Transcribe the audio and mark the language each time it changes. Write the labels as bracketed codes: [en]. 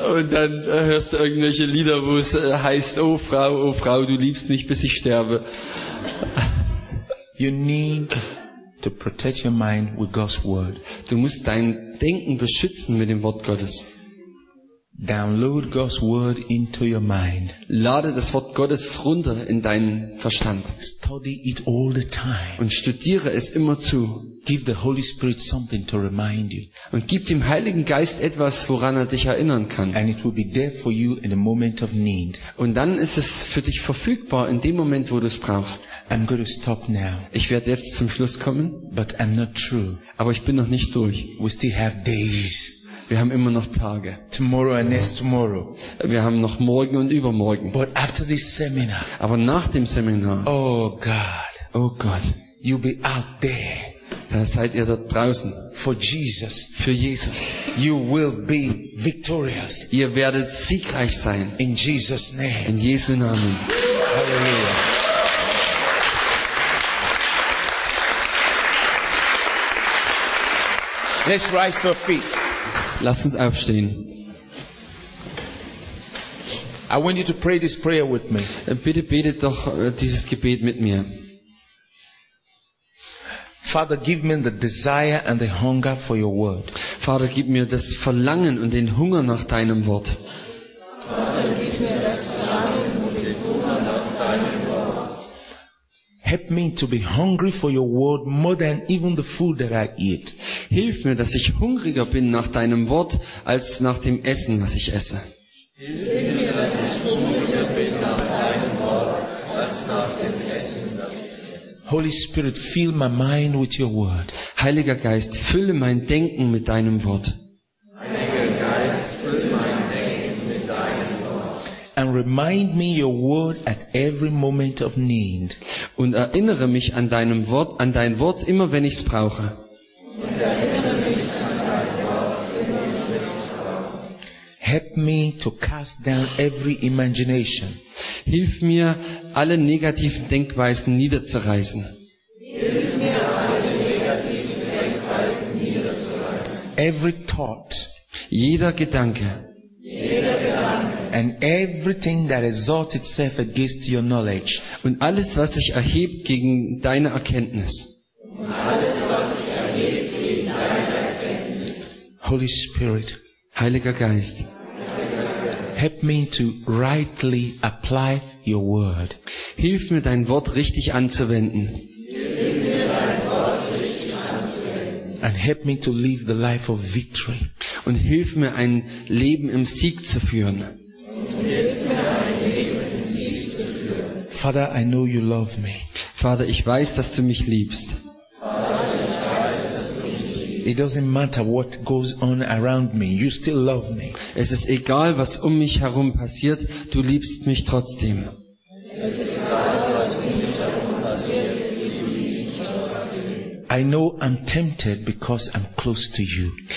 [de] Und dann hörst du irgendwelche Lieder, wo es heißt, oh Frau, du liebst mich bis ich sterbe. [en] You need to protect your mind with God's word. [de] Du musst dein Denken beschützen mit dem Wort Gottes. [en] Download God's word into your mind. [de] Lade das Wort Gottes runter in deinen Verstand. [en] Study it all the time. [de] Und studiere es immer zu. [en] Give the Holy Spirit something to remind you. [de] Und gib dem Heiligen Geist etwas, woran er dich erinnern kann. [en] And it will be there for you in a moment of need. [de] Und dann ist es für dich verfügbar in dem Moment, wo du es brauchst. [en] I'm going to stop now. [de] Ich werde jetzt zum Schluss kommen. [en] But I'm not through. [de] Aber ich bin noch nicht durch. [en] We still have days. [de] Wir haben immer noch Tage. [en] Tomorrow and next tomorrow. [de] Wir haben noch morgen und übermorgen. [en] But after this seminar. [de] Aber nach dem Seminar. [en] Oh God. Oh God. You'll be out there. [de] Da seid ihr da draußen. [en] For Jesus. [de] Für Jesus. [en] You will be victorious. [de] Ihr werdet siegreich sein. [en] In Jesus name. [de] In Jesu Namen. [en] Hallelujah. Let's rise to our feet. [de] Lasst uns aufstehen. [en] I want you to pray this prayer with me. [de] Bitte betet doch dieses Gebet mit mir. [en] Father, give me the desire and the hunger for your word. [de] Vater, gib mir das Verlangen und den Hunger nach deinem Wort. Vater, gib mir das Verlangen und den Hunger nach deinem Wort. [en] Help me to be hungry for your word more than even the food that I eat. [de] Hilf mir, dass ich hungriger bin nach deinem Wort als nach dem Essen, was ich esse. Hilf mir, dass ich hungriger bin nach deinem Wort als nach dem Essen. [en] Holy Spirit, fill my mind with your word. [de] Heiliger Geist, fülle mein Denken mit deinem Wort. Heiliger Geist, fülle mein Denken mit deinem Wort. [en] And remind me your word at every moment of need. [de] Und erinnere mich an deinem Wort, an dein Wort immer wenn ich es brauche. [en] Help me to cast down every imagination. [de] Hilf mir, alle negativen Denkweisen niederzureißen. Hilf mir, alle negativen Denkweisen niederzureißen. [en] Every thought. [de] Jeder Gedanke. Jeder Gedanke. [en] And everything that exalts itself against your knowledge. [de] Und alles, was sich erhebt gegen deine Erkenntnis. Alles, was sich erhebt gegen deine Erkenntnis. [en] Holy Spirit. [de] Heiliger Geist. [en] Help me to rightly apply your word. [de] Hilf mir, dein Wort richtig anzuwenden. Hilf mir, dein Wort richtig anzuwenden. [en] And help me to live the life of victory. [de] Und hilf mir, ein Leben im Sieg zu führen. Hilf mir, ein Leben im Sieg zu führen. [en] Father, I know you love me. [de] Vater, ich weiß, dass du mich liebst. [en] It doesn't matter what goes on around me. You still love me. [de] Es ist egal, was um mich herum passiert. Du liebst mich trotzdem. [en] I know I'm tempted because I'm close to you.